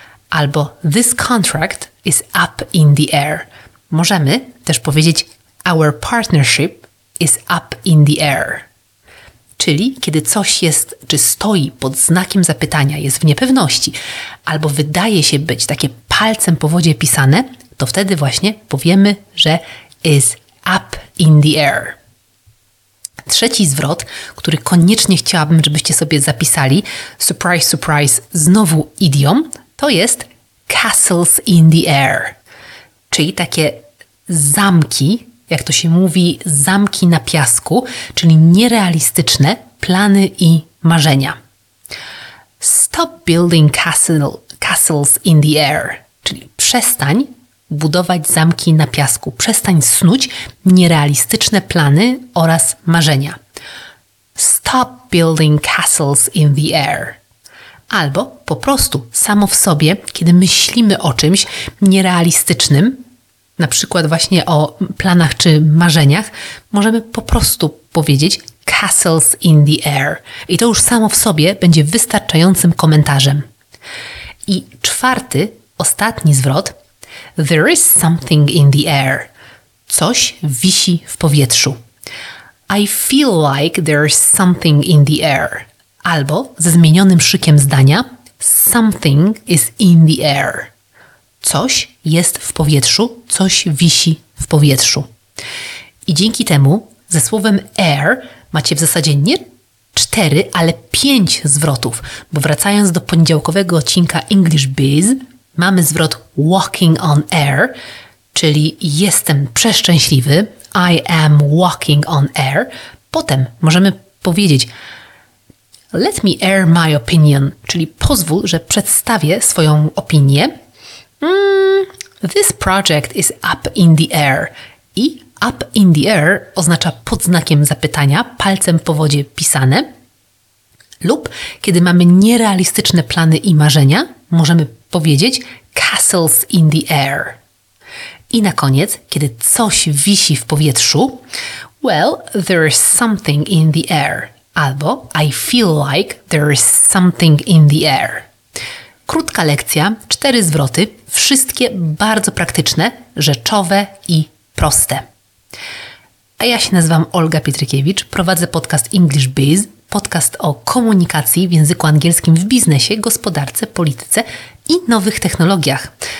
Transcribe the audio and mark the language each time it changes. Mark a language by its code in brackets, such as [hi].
[pl] Albo [en] this contract is up in the air. [pl] Możemy też powiedzieć, [en] our partnership is up in the air. [pl] Czyli kiedy coś jest, czy stoi pod znakiem zapytania, jest w niepewności, albo wydaje się być takie palcem po wodzie pisane, to wtedy właśnie powiemy, że [en] is up in the air. [pl] Trzeci zwrot, który koniecznie chciałabym, żebyście sobie zapisali, [en] surprise, surprise, [pl] znowu idiom, to jest [en] castles in the air, [pl] czyli takie zamki, jak to się mówi, zamki na piasku, czyli nierealistyczne plany i marzenia. [en] Stop building castles in the air, [pl] czyli przestań budować zamki na piasku. Przestań snuć nierealistyczne plany oraz marzenia. [en] Stop building castles in the air. [pl] Albo po prostu samo w sobie, kiedy myślimy o czymś nierealistycznym, na przykład właśnie o planach czy marzeniach, możemy po prostu powiedzieć [en] castles in the air. [pl] I to już samo w sobie będzie wystarczającym komentarzem. I czwarty, ostatni zwrot. [en] There is something in the air. [pl] Coś wisi w powietrzu. [en] I feel like there is something in the air. [pl] Albo ze zmienionym szykiem zdania. [en] Something is in the air. [pl] Coś jest w powietrzu, coś wisi w powietrzu. I dzięki temu ze słowem air macie w zasadzie nie 4, ale 5 zwrotów. Bo wracając do poniedziałkowego odcinka English Biz, mamy zwrot [en] walking on air, [pl] czyli jestem przeszczęśliwy, [en] I am walking on air. [pl] Potem możemy powiedzieć [en] let me air my opinion, [pl] czyli pozwól, że przedstawię swoją opinię. [en] This project is up in the air. [pl] I [en] up in the air [pl] oznacza pod znakiem zapytania, palcem po wodzie pisane. Lub kiedy mamy nierealistyczne plany i marzenia, możemy powiedzieć [en] castles in the air. [pl] I na koniec, kiedy coś wisi w powietrzu, [en] well, there is something in the air. [pl] Albo [en] I feel like there is something in the air. [pl] Krótka lekcja, 4 zwroty, wszystkie bardzo praktyczne, rzeczowe i proste. A ja się nazywam Olga Pietrykiewicz, prowadzę podcast English Biz, podcast o komunikacji w języku angielskim w biznesie, gospodarce, polityce i nowych technologiach.